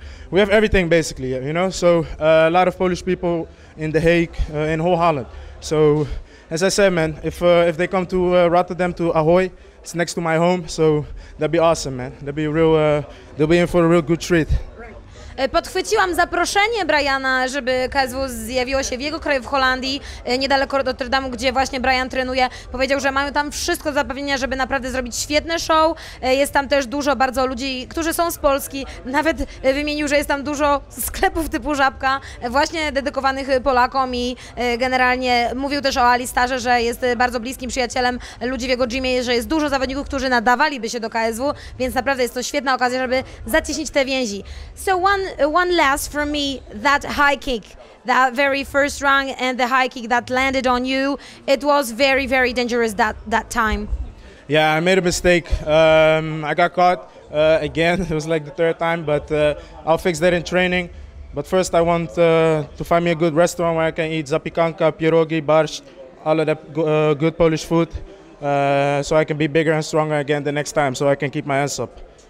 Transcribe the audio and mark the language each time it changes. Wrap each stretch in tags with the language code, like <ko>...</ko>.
<en>We have everything basically, you know. So a lot of Polish people in The Hague, in whole Holland. So as I said, man, if they come to Rotterdam to Ahoy, it's next to my home. So that'd be awesome, man. That'd be real. They'll be in for a real good treat.</en> <pl>Podchwyciłam zaproszenie Briana, żeby KSW zjawiło się w jego kraju, w Holandii, niedaleko od Rotterdamu, gdzie właśnie Brian trenuje. Powiedział, że mają tam wszystko do zapewnienia, żeby naprawdę zrobić świetne show. Jest tam też dużo bardzo ludzi, którzy są z Polski. Nawet wymienił, że jest tam dużo sklepów typu Żabka, właśnie dedykowanych Polakom i generalnie mówił też o Alistarze, że jest bardzo bliskim przyjacielem ludzi w jego gymie, że jest dużo zawodników, którzy nadawaliby się do KSW, więc naprawdę jest to świetna okazja, żeby zacieśnić te więzi.</pl> <en>So One last for me, that high kick, that very first round and the high kick that landed on you, it was very, very dangerous that time. Yeah, I made a mistake. I got caught again. It was like the third time, but I'll fix that in training. But first I want to find me a good restaurant where I can eat zapikanka, pierogi, barsz, all of that good Polish food, so I can be bigger and stronger again the next time, so I can keep my hands up.</en>